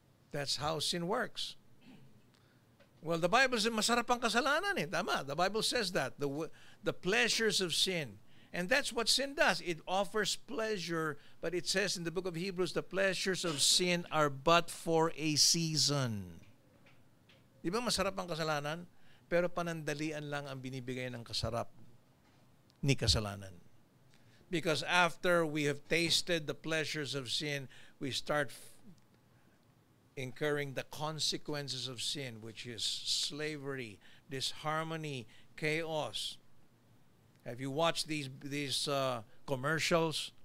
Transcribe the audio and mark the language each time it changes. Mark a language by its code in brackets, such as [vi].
[en] That's how sin works. Well, the Bible says, [tl] masarap ang kasalanan eh. [en] Tama, the Bible says that. The pleasures of sin. And that's what sin does. It offers pleasure, but it says in the book of Hebrews, the pleasures of sin are but for a season. [tl] Di ba masarap ang kasalanan? Pero panandalian lang ang binibigay ng kasarap ni kasalanan. [en] Because after we have tasted the pleasures of sin, we start incurring the consequences of sin, which is slavery, disharmony, chaos. Have you watched these commercials?